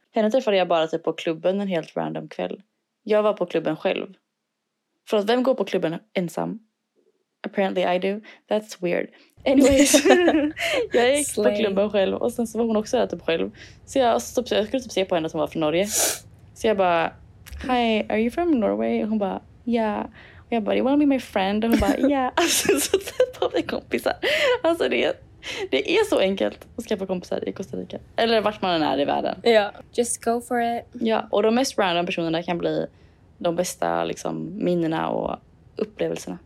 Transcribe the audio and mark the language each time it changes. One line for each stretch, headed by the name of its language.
Swedish: Henne träffade jag bara typ på klubben en helt random kväll. Jag var på klubben själv. För att vem går på klubben ensam?
English: Apparently I do. That's weird.
Swedish: Anyways, jag gick på klubben själv och sen så var hon också där typ själv. Så jag skulle typ se på henne som var från Norge. Så jag bara,
English: hi, are you from Norway?
Swedish: Och hon bara, yeah. Och jag bara,
English: do you want to be my friend?
Swedish: Och hon bara, yeah. Alltså så tappade jag kompisar. Alltså det är så enkelt att skaffa kompisar i Costa Rica. Eller vart man än är i världen. Ja, yeah.
English: Just go for it.
Swedish: Ja, och de mest random personerna kan bli de bästa liksom minnena och upplevelserna.